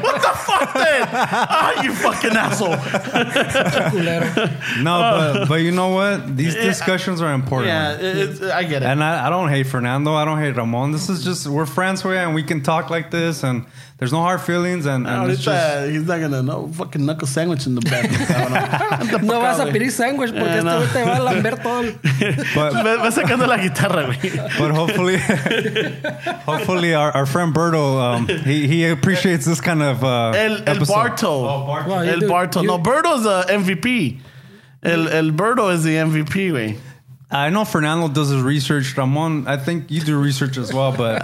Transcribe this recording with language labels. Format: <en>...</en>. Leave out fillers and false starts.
<en>What the fuck, then? Ah, you fucking asshole. No, but you know what? These discussions are important. Yeah, I get it. And I don't hate Fernando. I don't hate Ramon. This is just, we're friends, and we can talk like this, and there's no hard feelings, and it's just... He's not gonna know. Fucking knuckle sandwich in the back.</en> <es>No vas a pedir sandwich, porque esto te va a lamber todo. Va sacando la guitarra, güey.</es> <en>But hopefully... Hopefully our friend Berto, he appreciates this kind of El Barto. Oh, wow, El Barto. No, Berto's the MVP. El Berto is the MVP, güey. I know Fernando does his research. Ramon, I think you do research as well, but...</en>